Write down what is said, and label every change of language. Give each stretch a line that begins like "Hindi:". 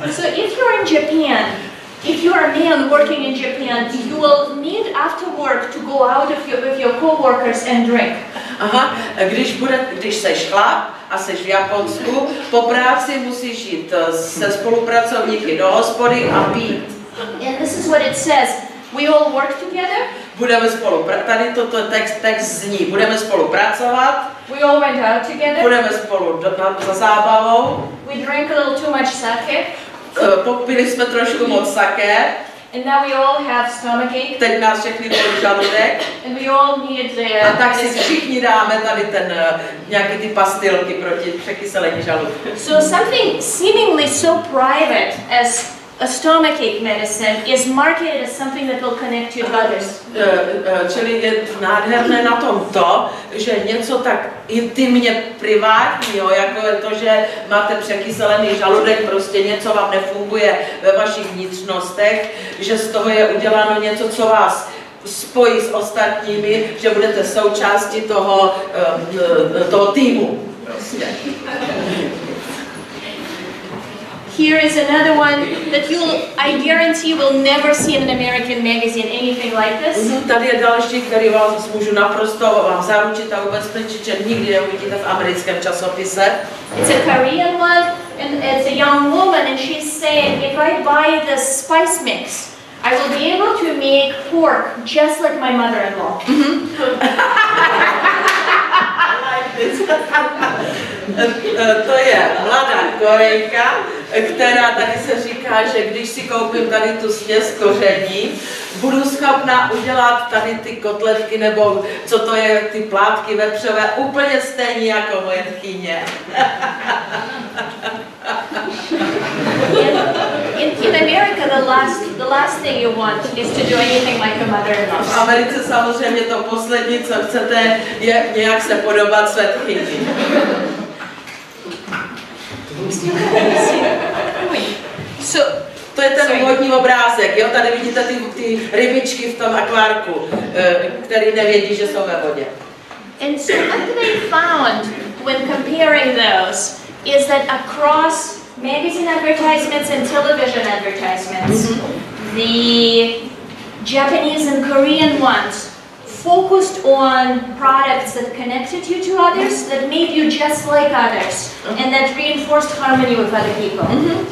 English: So if you're in Japan, if you are a man working in Japan, you will need after work to go out of your, with your co-workers and drink.
Czech: Aha, když bude, když seš chlap a seš v Japonsku, po práci musíš jít se spolupracovníky do hospody a pít.
English: And this is what it says. We all work together.
Czech: Budeme spolu. Tady toto text zní. Budeme spolu pracovat.
English: We all went out together.
Czech: Budeme spolu za zábavou.
English: We drank a little too much sake.
Czech: Popili jsme trošku moc sake.
English: And now we all have stomach ache.
Czech: Teď nás všechny bolí žaludek.
English: And we all need the.
Czech: A tak si všichni dáme tady ten nějaký ty pastilky proti překyselení žaludku.
English: So something seemingly so private as a stomachache medicine is marketed as something that will connect you to others.
Czech: Čili je nádherné na tom to, že něco tak intimně privátního, jako je to, že máte překyselený žaludek, prostě něco vám nefunguje ve vašich vnitřnostech, že z toho je uděláno něco, co vás spojí s ostatními, že budete součástí toho, toho týmu. Prostě.
English: Here is another one that you'll, I guarantee you will never see in an American magazine anything like this.
Czech: Tady je další, který vás můžu naprosto vám zaručit a ubezpečit, že nikdy neuvidíte v americkém časopise.
English: It's a Korean one, and it's a young woman, and she's saying, if I buy the spice mix, I will be able to make pork just like my mother-in-law.
Czech: To je mladá Korejka, která tady se říká, že když si koupím tady tu směs koření, budu schopna udělat tady ty kotletky nebo co to je, ty plátky vepřové, úplně stejně jako moje tchyně.
English: In America, the last thing you want is to do anything like a mother-in-law.
Czech: V Americe samozřejmě to poslední, co chcete, je nějak se podobat své tchyni.
English: So,
Czech: to je ten úvodní obrázek, jo? Tady vidíte ty rybičky v tom akvárku, který nevědí, že jsou ve vodě.
English: And so what they found when comparing those is that across magazine advertisements and television advertisements, the Japanese and Korean ones focused on products that connected you to others, that made you just like others, and that reinforced harmony with other people.